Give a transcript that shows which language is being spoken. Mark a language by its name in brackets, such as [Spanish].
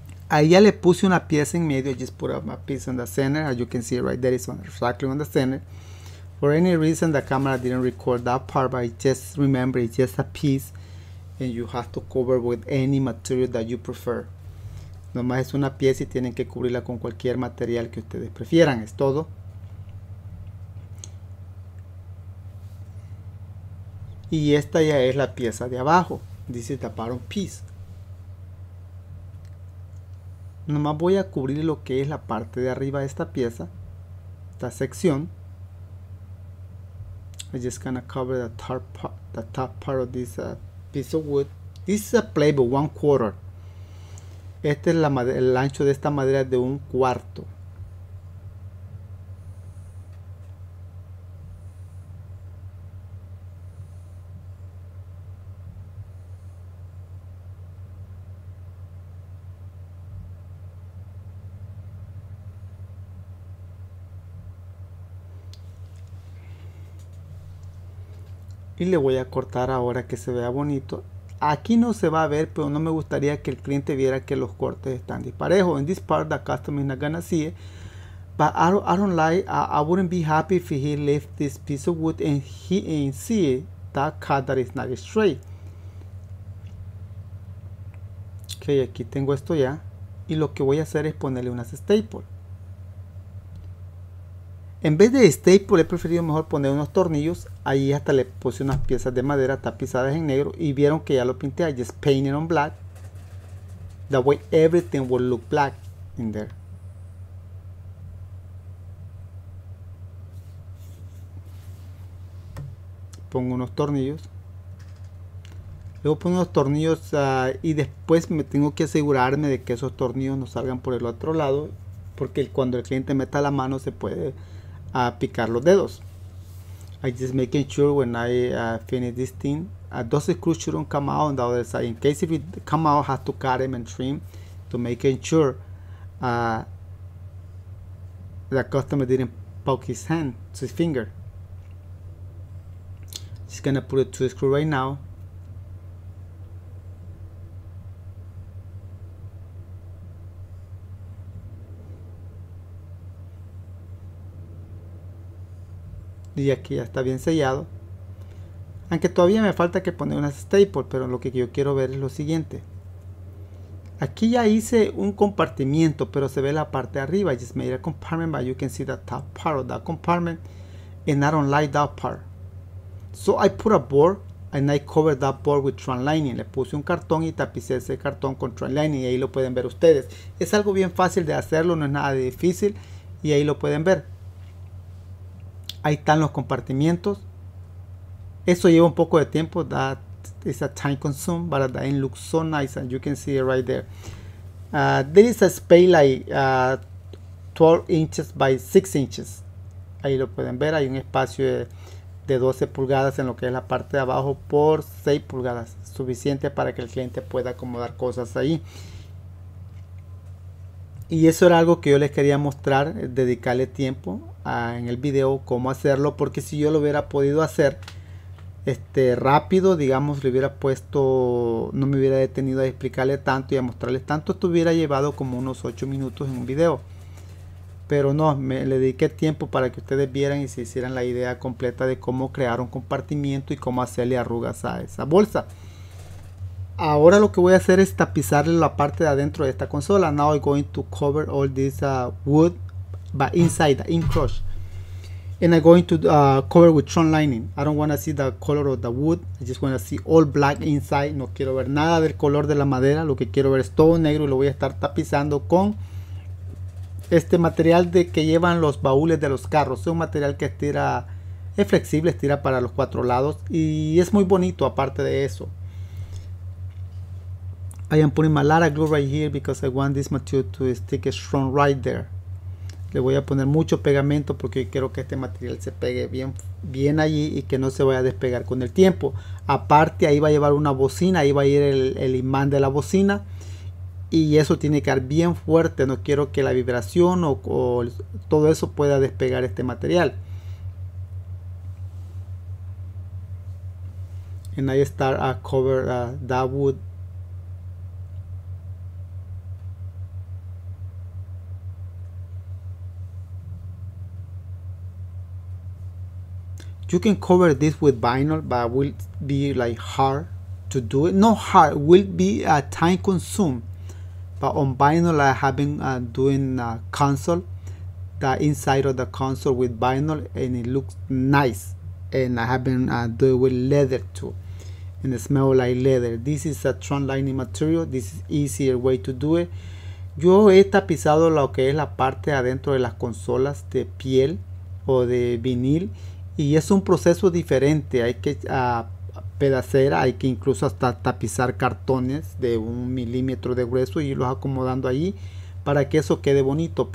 [Spanish] Ahí ya le puse una pieza en medio. [English] I just put up my piece in the center. As you can see right there, it's on exactly on the center. For any reason, the camera didn't record that part, but it just remember it's just a piece, and you have to cover with any material that you prefer. [Spanish] Nomás es una pieza y tienen que cubrirla con cualquier material que ustedes prefieran, es todo. Y esta ya es la pieza de abajo. Dice taparon piece. Nomás voy a cubrir lo que es la parte de arriba de esta pieza, esta sección. [English] I just gonna cover the top part of this piece of wood. This is a plate of 1/4. [Spanish] Este es el ancho de esta madera es de 1/4. Y le voy a cortar ahora que se vea bonito. Aquí no se va a ver, pero no me gustaría que el cliente viera que los cortes están disparejos. [English] In this part, the customer is not gonna see it. But I wouldn't be happy if he left this piece of wood and he ain't see it, that cut that is not straight. [Spanish] Okay, aquí tengo esto ya. Y lo que voy a hacer es ponerle unas staples. En vez de staple he preferido mejor poner unos tornillos. Ahí hasta le puse unas piezas de madera tapizadas en negro y vieron que ya lo pinté. [English] I just painted on black. That way everything will look black in there. [Spanish] Pongo unos tornillos. Luego pongo unos tornillos y después me tengo que asegurarme de que esos tornillos no salgan por el otro lado, porque cuando el cliente meta la mano se puede a picar los dedos. [English] I just making sure when I finish this thing, those screws shouldn't come out on the other side. In case if it come out, I have to cut them and trim to making sure the customer didn't poke his hand, his finger. Just gonna put a two screw right now. [Spanish] Y aquí ya está bien sellado. Aunque todavía me falta que poner unas staples, pero lo que yo quiero ver es lo siguiente. Aquí ya hice un compartimiento, pero se ve la parte de arriba. [English] I just made a compartment, but you can see the top part of that compartment. And I don't like that part. So I put a board and I covered that board with trunk lining. [Spanish] Le puse un cartón y tapicé ese cartón con trunk lining. Y ahí lo pueden ver ustedes. Es algo bien fácil de hacerlo, no es nada difícil. Y ahí lo pueden ver. Ahí están los compartimientos. Eso lleva un poco de tiempo. [English] That is a time consume, but that end looks so nice, and you can see it right there. There is a space like 12 inches by 6 inches. [Spanish] Ahí lo pueden ver. Hay un espacio de 12 pulgadas en lo que es la parte de abajo por 6 pulgadas. Suficiente para que el cliente pueda acomodar cosas ahí. Y eso era algo que yo les quería mostrar, dedicarle tiempo en el video, cómo hacerlo, porque si yo lo hubiera podido hacer rápido, digamos, le hubiera puesto, no me hubiera detenido a explicarle tanto y a mostrarles tanto, esto hubiera llevado como unos 8 minutos en un video. Pero no, me le dediqué tiempo para que ustedes vieran y se hicieran la idea completa de cómo crear un compartimiento y cómo hacerle arrugas a esa bolsa. Ahora lo que voy a hacer es tapizarle la parte de adentro de esta consola. [English] Now I'm going to cover all this wood, but inside, in crush. And I'm going to cover with Tron lining. I don't want to see the color of the wood. I just want to see all black inside. [Spanish] No quiero ver nada del color de la madera. Lo que quiero ver es todo negro y lo voy a estar tapizando con este material de que llevan los baúles de los carros. Es un material que estira, es flexible, estira para los cuatro lados y es muy bonito. Aparte de eso, [English] I am putting a lot of glue right here because I want this material to stick strong right there. [Spanish] Le voy a poner mucho pegamento porque quiero que este material se pegue bien, bien allí y que no se vaya a despegar con el tiempo. Aparte, ahí va a llevar una bocina, ahí va a ir el imán de la bocina. Y eso tiene que estar bien fuerte. No quiero que la vibración o todo eso pueda despegar este material. [English] And I start cover that wood. You can cover this with vinyl, but will be like hard to do it. No hard, will be a time consume. But on vinyl, I have been doing a console, the inside of the console with vinyl, and it looks nice. And I have been doing it with leather too, and it smells like leather. This is a Tron lining material. This is easier way to do it. [Spanish] Yo he tapizado lo que es la parte de adentro de las consolas de piel o de vinil. Y es un proceso diferente, hay que pedacera, hay que incluso hasta tapizar cartones de 1 milímetro de grueso y irlos acomodando allí para que eso quede bonito.